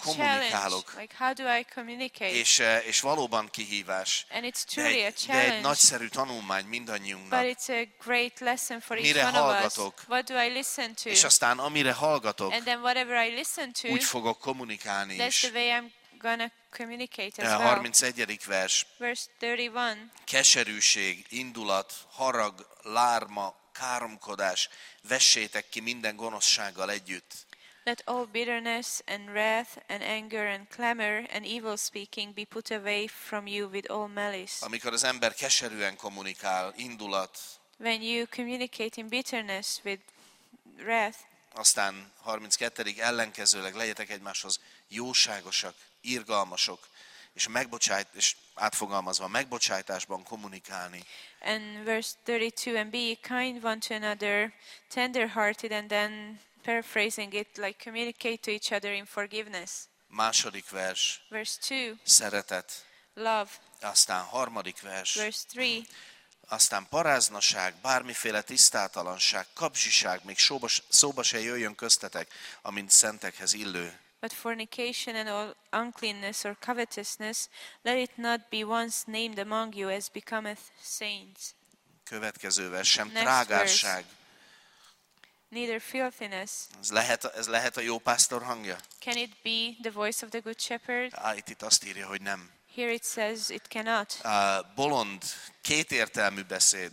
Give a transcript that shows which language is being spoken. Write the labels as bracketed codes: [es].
[hu] kommunikálok. [en] Challenge. Like how do I communicate? [hu] És valóban kihívás. [en] And it's truly a challenge. [hu] De egy nagyszerű tanulmány mindannyiunknak. [en] But it's a great lesson for each [hu] mire [en] one [hu] hallgatok? [en] Of us. What do I listen to? [hu] És aztán amire hallgatok. [en] And then whatever I listen to. [hu] Úgy fogok kommunikálni [en] that's [hu] is. [en] That's the way I'm gonna communicate as well. [hu] 31. vers. [en] Verse 31. [hu] Keserűség, indulat, harag, lárma, káromkodás, vessétek ki minden gonoszsággal együtt. [en] Let all bitterness and wrath and anger and clamor and evil speaking be put away from you with all malice. [hu] Amikor az ember keserűen kommunikál, indulat. [en] When you communicate in bitterness with wrath. [hu] Aztán 32. ellenkezőleg legyetek egymáshoz jóságosak, irgalmasok, és megbocsájt, és átfogalmazva megbocsájtásban kommunikálni. [en] And verse 32, and be kind one to another, tender-hearted, and then paraphrasing it, like communicate to each other in forgiveness. [hu] Második vers. [en] Verse 2. [hu] Szeretet. [en] Love. [hu] Aztán harmadik vers. [en] Verse 3. [hu] Aztán paráznaság, bármiféle tisztátalanság, kapzsiság, még szóba se jöjjön köztetek, amint szentekhez illő. [en] But fornication and all uncleanness or covetousness, let it not be once named among you as becometh saints. [hu] Következő vers, sem trágárság. [en] Neither filthiness. [hu] Ez lehet a jó pásztor hangja? [en] Can it be the voice of the good shepherd? [hu] Itt azt írja, hogy nem. [en] Here it says it cannot. [hu] Bolond, kétértelmű beszéd.